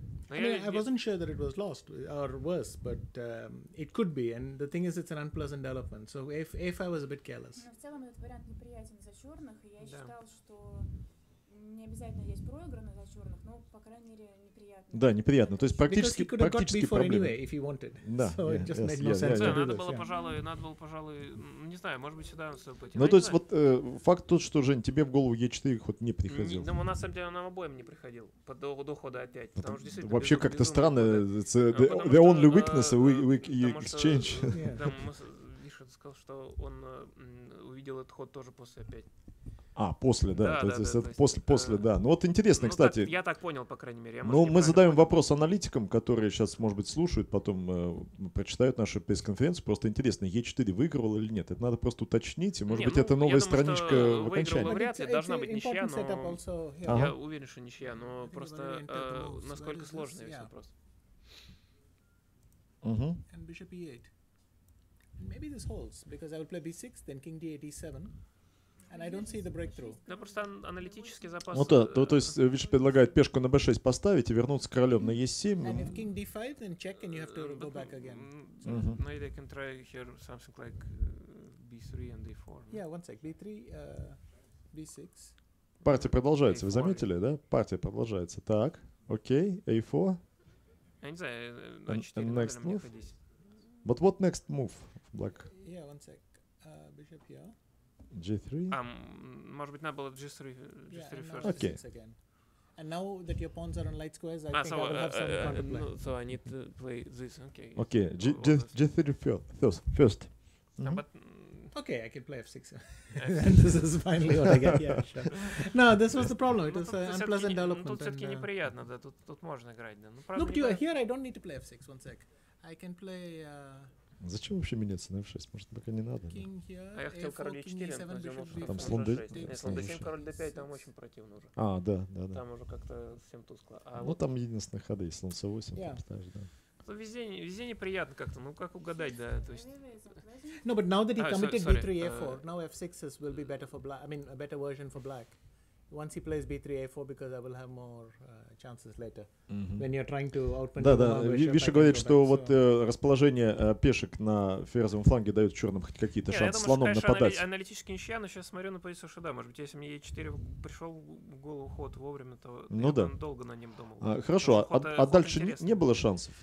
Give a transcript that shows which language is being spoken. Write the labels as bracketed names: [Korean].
[English] I wasn't sure that it was lost or worse, but it could be. And the thing is, it's an unpleasant development. So if I was a bit careless. [Russian] В целом этот вариант неприятен за черных, и я считал, что не обязательно есть проигранный за черных, но по крайней мере неприятно. Да, неприятно. То есть практически проблема. [English] Anyway, if he wanted. [Russian] Да. Надо было, пожалуй, не знаю, может быть сюда он все пойти. Ну то есть вот факт тот, что Жень, тебе в голову e4 ход не приходил. Ну на самом деле нам обоим не приходил по до хода опять. Потому что действительно. Вообще как-то странно. [English] The only weakness we exchange. [Russian] Виша сказал, что он увидел этот ход тоже после опять. А, после, да. Да. Ну вот интересно, ну, кстати. Так, я так понял, по крайней мере. Ну, мы задаем вопрос аналитикам, которые сейчас, может быть, слушают, потом прочитают нашу пресс-конференцию. Просто интересно, Е4 выиграл или нет? Это надо просто уточнить. Может не, быть, ну, это новая страничка думаю, в окончании. Вряд ли, должна быть ничья, но... Я уверен, что ничья, но просто насколько сложный весь вопрос. [English] And bishop e8. Maybe this holds, because I will play b6, then king d8, e7. And I don't see the breakthrough. [Russian] Да просто аналитический запас. Ну да, то есть Виш предлагает пешку на b6 поставить и вернуться королем на e7. [English] And if king d5, then check and you have to go back again. Maybe I can try here something like b3 and d4. Yeah, one sec. B3, b6. [Russian] Партия продолжается, A4. Вы заметили, да? Партия продолжается. Так, окей, okay, a4. Я не знаю, a4, наверное, [English] next move. But what next move, black? Yeah, one sec. Bishop here. G3? [Russian] Может быть, надо было G3 first. Окей. [English] And now that your pawns are on light squares, I think I will have some counterplay. So I need to play this. Okay. Okay. G3 first. Okay, I can play f6. And this is finally what I get. Yeah, sure. No, this was the problem. It was an unpleasant development. [Russian] Тут все-таки неприятно, да. Тут можно играть, да. [English] No, but here I don't need to play f6. One sec. I can play... [Russian] Зачем вообще меняться на f6? Может, пока не надо? Here, а я хотел король e4, но там слон d7. Слон d7, король d5, там очень противно уже. А, да. Там уже как-то всем тускло. А ну, вот там единственная хода, если слон c8, там ставишь, да. Ну, везде неприятно как-то, ну, как угадать, да, то есть... [English] No, but now that he committed b3, a4, now f6 will be better for black, I mean, a better version for black. Once he plays b3, a4, because I will have more chances later. Mm-hmm. When you're trying to outmaneuver. [Russian] Да, Виша говорит, что вот расположение пешек на ферзовом фланге дает черным хоть какие-то шансы слоном нападать. Я думаю, что, конечно, аналитический ничья, но сейчас смотрю на позицию, что да, может быть, если мне e4 пришел в голову ход вовремя, то ну я да. долго на нем думал. Хорошо, а дальше не было шансов?